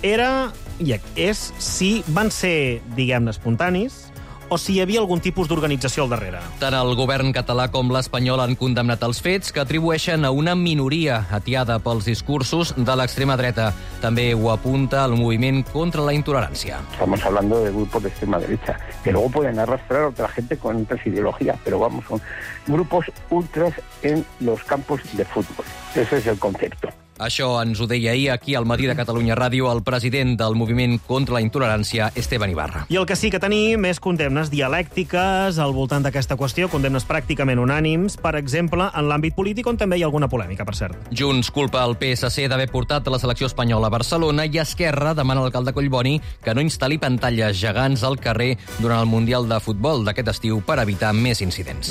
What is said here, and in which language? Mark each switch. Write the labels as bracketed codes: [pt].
[ca] Era, i és, si van ser, diguem-ne, espontanis, o si hi havia algun tipus d'organització al darrere. Tant el govern català com l'espanyol han condemnat els fets, que atribueixen a una minoria atiada pels discursos de l'extrema dreta. També ho apunta el moviment contra la intolerància. [es] Estamos hablando de grupos de extrema derecha, que luego pueden arrastrar a otra gente con otras ideologías, pero vamos, son grupos ultras en los campos de fútbol. Ese es el concepto. [ca] Això ens ho deia ahir aquí al Matí de Catalunya Ràdio el president del moviment contra la intolerància, Esteban Ibarra. I el que sí que tenim és condemnes dialèctiques al voltant d'aquesta qüestió, condemnes pràcticament unànims, per exemple, en l'àmbit polític, on també hi ha alguna polèmica, per cert. Junts culpa el PSC d'haver portat la selecció espanyola a Barcelona, i Esquerra demana al alcalde Collboni que no instal·li pantalles gegants al carrer durant el Mundial de Futbol d'aquest estiu per evitar més incidents.